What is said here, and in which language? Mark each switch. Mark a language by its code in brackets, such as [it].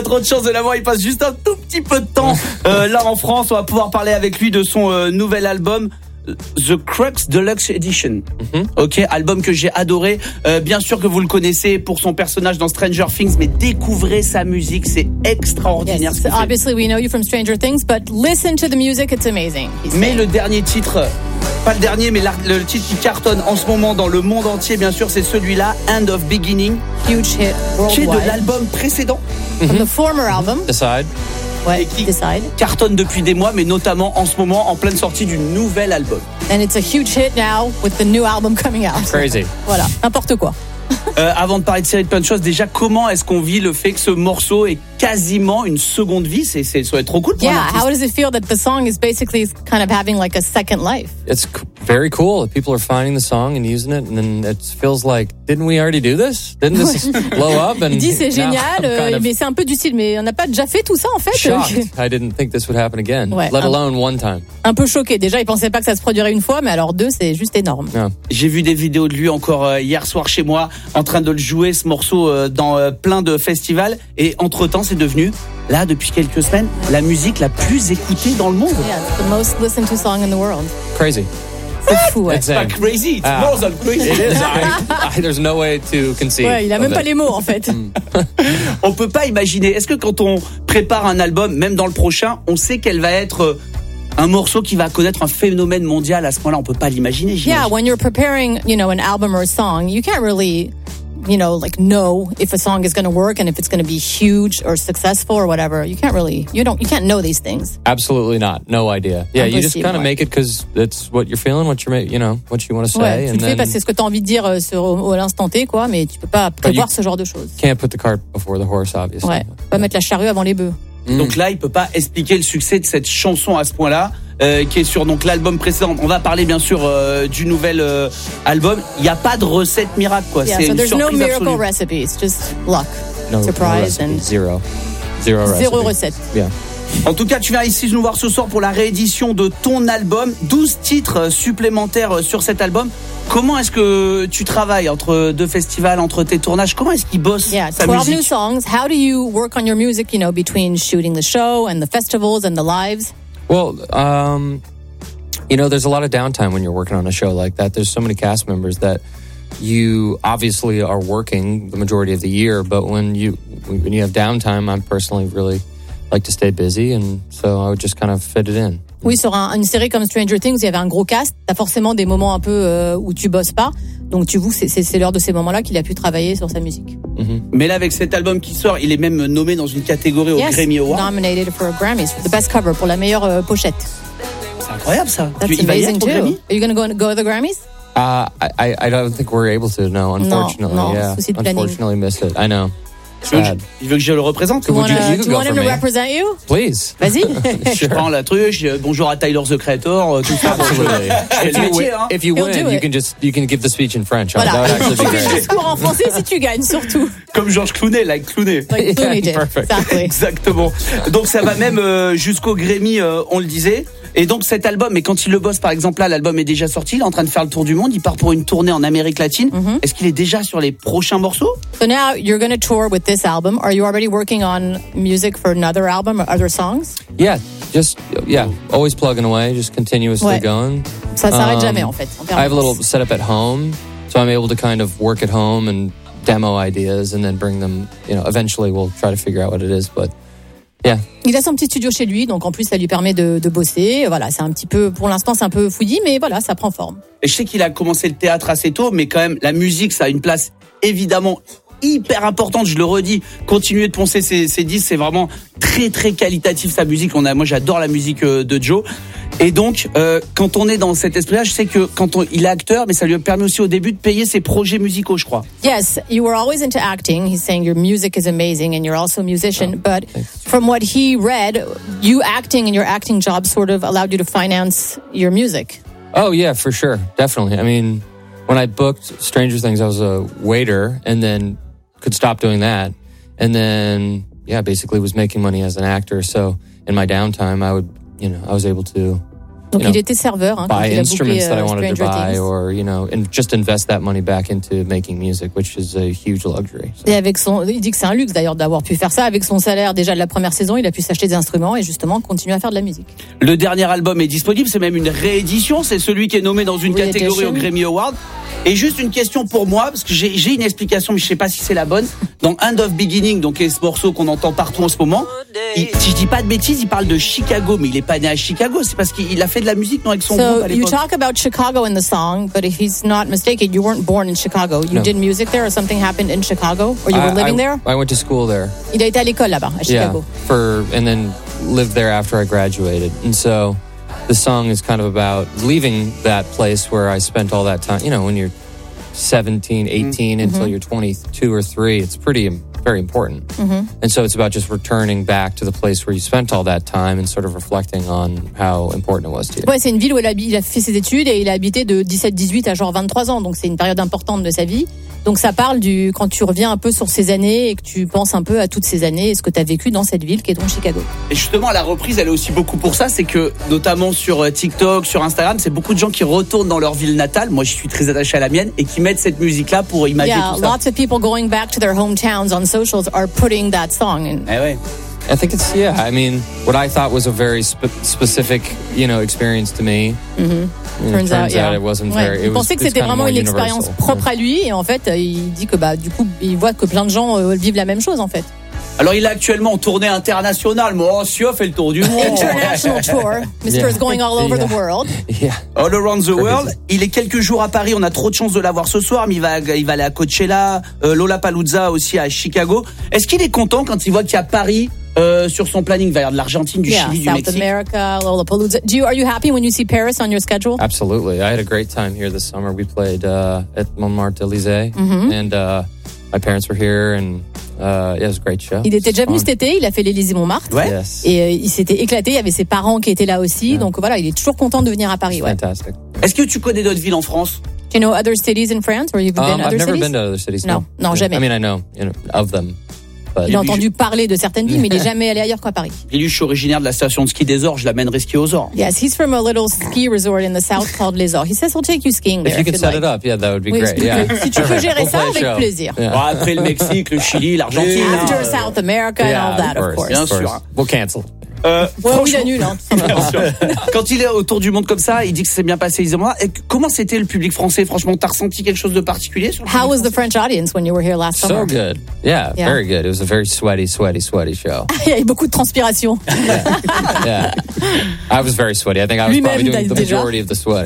[fr] On a trop de chance de l'avoir, il passe juste un tout petit peu de temps là en France. On va pouvoir parler avec lui de son nouvel album. The Crux Deluxe Edition. Mm-hmm. Ok, album que j'ai adoré. Bien sûr que vous le connaissez pour son personnage dans Stranger Things, mais découvrez sa musique, c'est extraordinaire. [en] Yes. Obviously, we know you from Stranger Things, but listen to the music, it's amazing. [fr] Mais le dernier titre, pas le dernier, mais le titre qui cartonne en ce moment dans le monde entier, bien sûr, c'est celui-là, End of Beginning. [en] Huge hit worldwide. [fr] Qui est de l'album précédent. [en] Mm-hmm. From the former album. Decide. [fr] Ouais, et qui decide. Cartonne depuis des mois, mais notamment en ce moment, en pleine sortie du nouvel album. [en] And it's a huge hit now with the new album coming out. Crazy. [fr] Voilà, n'importe quoi. Avant de parler de série de plein de choses, déjà, comment est-ce qu'on vit le fait que ce morceau ait quasiment une seconde vie? C'est ça va être trop cool. [en] Yeah, how does it feel that the song is basically kind of having like a second life? It's very cool. People are finding the song and using it, and then it feels like, didn't we already do this? Didn't this blow up? [fr] And il dit c'est génial, mais c'est un peu du style. Mais on n'a pas déjà fait tout ça en fait. [en] Shocked. I didn't think this would happen again. Ouais, let alone one time. [fr] Un peu choqué. Déjà, il pensait pas que ça se produirait une fois, mais alors deux, c'est juste énorme. [en] Yeah. [fr] J'ai vu des vidéos de lui encore hier soir chez moi, en train de le jouer ce morceau dans plein de festivals. Et entre temps, c'est devenu, là, depuis quelques semaines, la musique la plus écoutée dans le monde. [en] Yeah, the most listened to song in the world. Crazy. It's not crazy, it's more than crazy. It is. There's no way to conceive. [fr] Ouais, il a même pas les mots en fait. On peut pas imaginer. Est-ce que quand on prépare un album, même dans le prochain, on sait qu'elle va être un morceau qui va connaître un phénomène mondial à ce moment-là? On peut pas l'imaginer. [en] Yeah, when you're preparing, you know, an album or a song, you can't really, you know, like know if a song is going to work and if it's going to be huge or successful or whatever. You can't really, you can't know these things. Absolutely not. No idea. Yeah, you just kind of make it because that's what you're feeling, what you're, you know, what you want to say. [fr] Ouais, tu le fais parce que c'est ce que t'as envie de dire sur à l'instant T, quoi. Mais tu peux pas prévoir ce genre de choses. [en] Can't put the cart before the horse, obviously. [fr] Ouais, pas mettre la charrue avant les bœufs. Donc là, il peut pas expliquer le succès de cette chanson à ce point-là, qui est sur donc l'album précédent. On va parler bien sûr du nouvel album. Il y a pas de recette miracle, quoi. [en] Yeah, [fr] c'est [en] so [fr] une surprise [en] no miracle [fr] absolue. [en] Recipe. It's just luck, no, surprise no and zero [fr] recette. [en] Yeah. [fr] En tout cas, tu viens ici nous voir ce soir pour la réédition de ton album. 12 titres supplémentaires sur cet album. Comment est-ce que tu travailles entre deux festivals, entre tes tournages? Comment est-ce qu'il bosse sa musique? [en] Yeah, 12 new songs. How do you work on your music, you know, between shooting the show and the festivals and the lives? Well, you know, there's a lot of downtime when you're working on a show like that. There's so many cast members that you obviously are working the majority of the year, but when you have downtime, I personally really like to stay busy, and so I would just kind of fit it in. [fr] Oui, sur une série comme Stranger Things, il y avait un gros cast. T'as forcément des moments un peu où tu bosses pas. Donc tu vois, c'est l'heure de ces moments-là qu'il a pu travailler sur sa musique. Mm-hmm. Mais là, avec cet album qui sort, il est même nommé dans une catégorie au Grammy Award. [en] Yes, nominated for a Grammy for the best cover, [fr] pour la meilleure pochette. C'est incroyable ça. [en] That's [fr] il [en] amazing [fr] va y [en] too. Are you gonna go to the Grammys? I don't think we're able to. No, unfortunately, [fr] non, [en] yeah. [fr] Souci de planning. [en] Unfortunately, missed it. I know. [fr] Il veut que je le représente. [en] Do you want him to represent you? Please. [fr] Vas-y. Je prends la truche. Bonjour à Tyler the Creator. Tout ça. [en] Absolutely. [fr] Je fais le métier. [en] If you win, you can give the speech in French. Voilà. That would actually be great. [fr] Tu fais le discours en français si tu gagnes, surtout. Comme Georges Clooney, [en] like Clooney. Like Clooney did. Exactly. [fr] Exactement. Donc ça va même jusqu'au Grammy, on le disait. Et donc cet album, mais quand il le bosse, par exemple, là, l'album est déjà sorti, il est en train de faire le tour du monde, il part pour une tournée en Amérique latine. Mm-hmm. Est-ce qu'il est déjà sur les prochains morceaux? [en] So now you're going to tour with this album. Are you already working on music for another album or other songs? Yeah, just, yeah, always plugging away, just continuously ouais. going. [fr] Ça s'arrête jamais, en fait. [en] I have a little setup at home, so I'm able to kind of work at home and demo ideas and then bring them, you know, eventually we'll try to figure out what it is, but... Yeah. [fr] Il a son petit studio chez lui, donc en plus ça lui permet de bosser. Voilà, c'est un petit peu, pour l'instant c'est un peu fouillis, mais voilà, ça prend forme. Et je sais qu'il a commencé le théâtre assez tôt, mais quand même la musique ça a une place évidemment hyper importante. Je le redis, continuez de poncer ces disques. C'est vraiment très très qualitatif sa musique. Moi j'adore la musique de Joe. Et donc quand on est dans cet esprit-là, je sais que il est acteur, mais ça lui a permis aussi au début de payer ses projets musicaux, je crois. [en] Yes, you were always into acting. He's saying your music is amazing and you're also a musician. But from what he read, you acting and your acting job sort of allowed you to finance your music. Oh yeah, for sure, definitely. I mean, when I booked Stranger Things, I was a waiter and then could stop doing that. And then, yeah, basically was making money as an actor. So in my downtime, I would, you know, I was able to buy instruments that I wanted to buy or, you know, and just invest that money back into making music, which is a huge luxury. [fr] Et avec son, il dit que c'est un luxe d'ailleurs d'avoir pu faire ça. Avec son salaire déjà de la première saison, il a pu s'acheter des instruments et justement continuer à faire de la musique. Le dernier album est disponible, c'est même une réédition. C'est celui qui est nommé dans une catégorie au Grammy Award. Et juste une question pour moi, parce que j'ai une explication, mais je ne sais pas si c'est la bonne. Dans End of Beginning, donc est ce morceau qu'on entend partout en ce moment, si je dis pas de bêtises, il parle de Chicago, mais il n'est pas né à Chicago, c'est parce qu'il a fait de la musique, non, avec son groupe à l'époque. [en] So, you talk about Chicago in the song, but if he's not mistaken, you weren't born in Chicago. You did music there or something happened in Chicago? Or you were living there? I went to school there. [fr] Il a été à l'école là-bas, à Chicago. [en] Yeah, and then lived there after I graduated. And so... The song is kind of about leaving that place where I spent all that time. You know, when you're 17, 18, until you're 22 or 3, it's pretty very important. Mm-hmm. And so it's about just returning back to the place where you spent all that time and sort of reflecting on how important it was to you. [fr] Ouais, c'est une ville où il a fait ses études et il a habité de 17, 18 à genre 23 ans. Donc c'est une période importante de sa vie. Donc ça parle du quand tu reviens un peu sur ces années et que tu penses un peu à toutes ces années et ce que tu as vécu dans cette ville qui est donc Chicago. Et justement la reprise elle est aussi beaucoup pour ça, c'est que notamment sur TikTok, sur Instagram, c'est beaucoup de gens qui retournent dans leur ville natale. Moi je suis très attaché à la mienne et qui mettent cette musique là pour imaginer tout ça. [en] Yeah, lots of people going back to their hometowns on socials are putting that song in. [fr] Eh ouais. [en] I think it's yeah, I mean what I thought was a very specific, you know, experience to me. Turns out it wasn't [fr] ouais. [en] very. [fr] Il pensait que c'était vraiment une expérience propre à lui et en fait, il dit que bah du coup, il voit que plein de gens vivent la même chose en fait. Alors, il est actuellement en tournée internationale. Moi, Sio fait le tour du monde. [en] International tour. Mister is going all over the world. Yeah. All around the world. [fr] Il est quelques jours à Paris. On a trop de chance de l'avoir ce soir. Mais il va aller à Coachella, Lollapalooza aussi à Chicago. Est-ce qu'il est content quand il voit qu'il y a Paris sur son planning vers de l'Argentine, du Chili, du [en] South [fr] Mexique? [en] South America, Lollapalooza. Are you happy when you see Paris on your schedule? Absolutely. I had a great time here this summer. We played at Montmartre-Elysée. Mm-hmm. And my parents were here and... yeah, it was a great show. [fr] Il était déjà venu cet été, il a fait l'Élysée Montmartre. Ouais. [en] Yes. [fr] Et il s'était éclaté, il y avait ses parents qui étaient là aussi. Yeah. Donc voilà, il est toujours content de venir à Paris. [en] Ouais. Fantastic. [fr] Est-ce que tu connais d'autres villes en France? [en] Do you know other cities in France? Or you've been I've never cities? Been to other cities. [fr] Non, jamais. [en] I mean, I know, you know of them. But... [fr] Il a entendu parler de certaines villes, mais il n'est jamais allé ailleurs qu'à Paris. Je suis originaire de la station de ski des Orges, je l'amènerai skier aux Orges. [en] Yes, he's from a little ski resort in the south called Les Orges. He says he'll take you skiing there. If you could set it up, yeah, that would be great. Yeah. [fr] Si tu peux gérer ça, avec plaisir. Yeah. Bon, après le Mexique, le Chili, l'Argentine. [en] After South America and all that, of course. We'll cancel. [fr] Quand il est autour du monde comme ça, il dit que ça s'est bien passé. Et comment c'était le public français? Franchement, t'as ressenti quelque chose de particulier? [en] How was the French audience when you were here last summer? So good, yeah, very good. It was a very sweaty show. [fr] Il y avait beaucoup de transpiration. [en] Yeah, I was very sweaty. I think I was probably doing the majority of the sweat.